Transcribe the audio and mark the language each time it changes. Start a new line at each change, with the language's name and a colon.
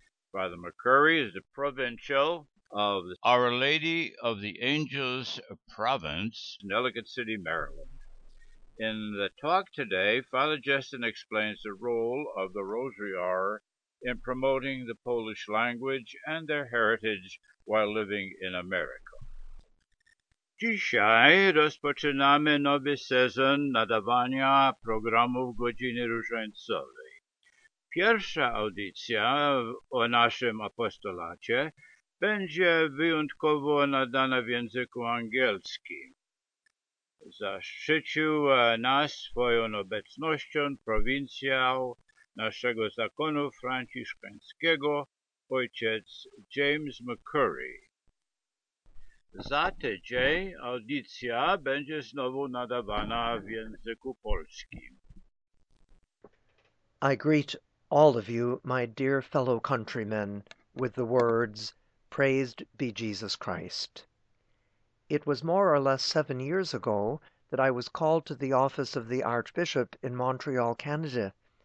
English: Father McCurry is the provincial of Our Lady of the Angels Province, Ellicott City, Maryland. In the talk today, Father Justin explains the role of the Rosary Hour in promoting the Polish language and their heritage while living in America.
Polish: Dzisiaj rozpoczynamy nowy sezon nadawania programu Godziny Różańcowej. Pierwsza audycja o naszym apostolacie będzie wyjątkowo nadana w języku angielskim. Zaszczycił nas swoją obecnością prowincjał naszego zakonu franciszkańskiego, ojciec James McCurry. Za tydzień audycja będzie znowu nadawana w języku polskim.
English: I greet all of you, my dear fellow countrymen, with the words, Praised be Jesus Christ. It was more or less 7 years ago that I was called to the office of the Archbishop in Montreal, Canada.